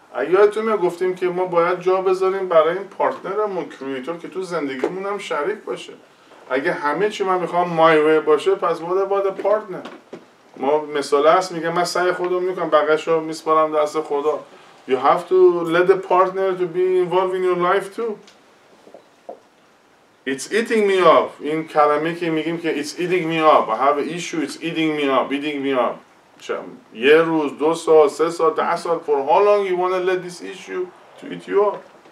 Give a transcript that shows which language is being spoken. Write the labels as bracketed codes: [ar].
[fa] یادتون میاد گفتیم که ما باید جا بذاریم برای این پارتنرمون, کریئتور, که تو زندگیمون هم شریک باشه. اگه همه چی من میخوام [en] my way [fa] باشه, پس باید پارتنر. ما مثال هست میگه من سعی خودم میکنم, بقیش رو میسپارم دست خدا. [en] You have to let the partner to be involved in your life too. It's eating me up. [fa] این کلمه که میگیم که [en] it's eating me up. I have an issue, it's eating me up. Eating me up. چم. [fa] یه روز, دو سال, سه سال, ده سال. [en] For how long you want to let this issue to eat you up?